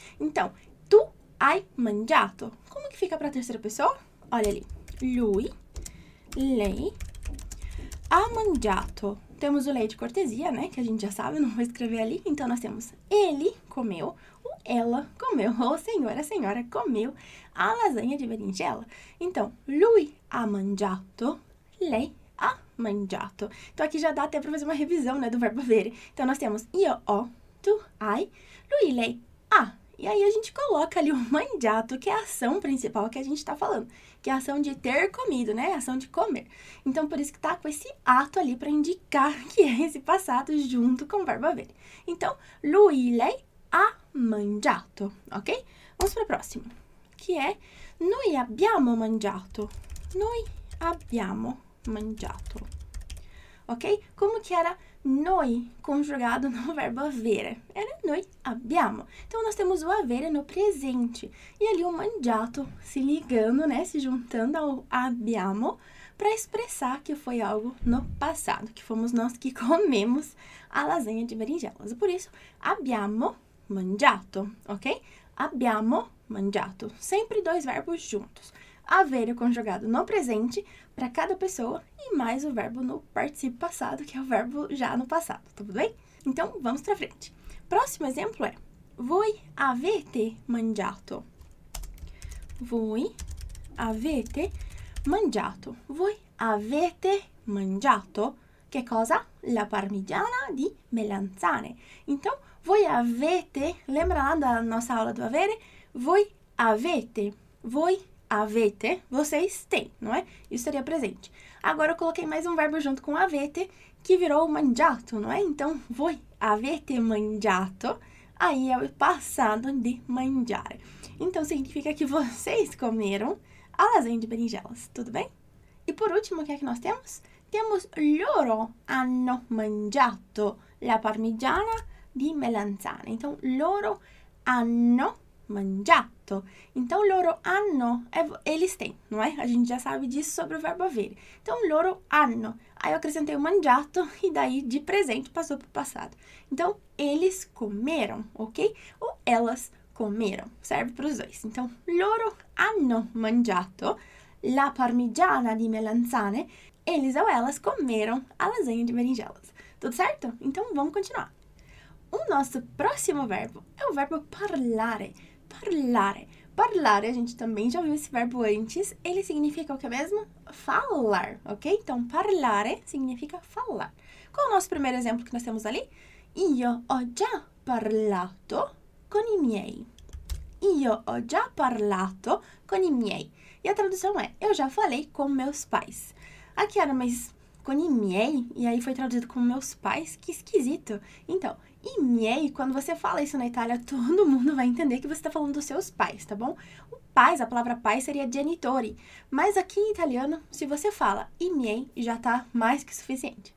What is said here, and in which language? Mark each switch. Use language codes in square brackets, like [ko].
[pt] Então, [it] tu hai mangiato. [pt] Como que fica pra terceira pessoa? Olha ali. [it] Lui, lei, ha mangiato. [pt] Temos o lei de cortesia, né? Que a gente já sabe, não vou escrever ali. Então, nós temos ele comeu, o ela comeu, ou a senhora comeu a lasanha de berinjela. [it] Então, lui ha mangiato, lei ha mangiato. [pt] Então, aqui já dá até para fazer uma revisão, né, do verbo haver. Então, nós temos [it] io ho, tu hai, lui lei ha. [pt] E aí, a gente coloca ali o mangiato, que é a ação principal que a gente está falando, que é a ação de ter comido, né? A ação de comer. Então, por isso que está com esse ato ali para indicar que é esse passado junto com o verbo haver. [it] Então, lui lei ha mangiato, ok? [pt] Vamos para o próximo, que é [it] noi abbiamo mangiato. Noi abbiamo mangiato. Ok? [pt] Como que era noi conjugado no verbo avere? [it] Era noi abbiamo. [pt] Então, nós temos o avere no presente. E ali o mangiato se ligando, né? Se juntando ao abbiamo para expressar que foi algo no passado, que fomos nós que comemos a lasanha de berinjelas. Por isso, abbiamo mangiato, ok? [it] Abbiamo mangiato. [pt] Sempre dois verbos juntos. Haver conjugado no presente para cada pessoa e mais o verbo no particípio passado, que é o verbo já no passado, tá tudo bem? Então, vamos para frente. Próximo exemplo é: [it] voi avete mangiato. Voi avete mangiato. Voi avete mangiato. Che cosa? La parmigiana di melanzane. [pt] Então, [it] voi avete, [pt] lembra lá da nossa aula do avere? [it] Voi avete. Voi avete, [pt] vocês têm, não é? Isso seria presente. Agora eu coloquei mais um verbo junto com avete, que virou mangiato, não é? Então, [it] voi avete mangiato, [pt] aí é o passado de mangiare. Então, significa que vocês comeram a lasanha de berinjelas, tudo bem? E por último, o que é que nós temos? [it] Temos loro hanno mangiato la parmigiana di melanzane. Então, loro hanno mangiato. [pt] Então, [it] loro hanno [pt] é eles têm, não é? A gente já sabe disso sobre o verbo avere. Então, [it] loro hanno. [pt] Aí eu acrescentei o mangiato e daí de presente passou para o passado. Então, eles comeram, ok? Ou elas comeram. Serve para os dois. [it] Então, loro hanno mangiato la parmigiana di melanzane. [pt] Eles ou elas comeram a lasanha de berinjelas. Tudo certo? Então, vamos continuar. O nosso próximo verbo é o verbo parlare. Parlare. Parlare, a gente também já viu esse verbo antes. Ele significa o que mesmo? Falar, ok? Então, parlare significa falar. Qual é o nosso primeiro exemplo que nós temos ali? [it] Io ho già parlato con i miei. Io ho già parlato con i miei. [pt] E a tradução é: eu já falei com meus pais. Aqui era mais [it] con i miei, [pt] e aí foi traduzido com meus pais. Que esquisito. Então, [it] i miei, [pt] quando você fala isso na Itália, todo mundo vai entender que você está falando dos seus pais, tá bom? O pais, a palavra pai seria genitori. Mas aqui em italiano, se você fala [it] i miei, [pt] já tá mais que suficiente.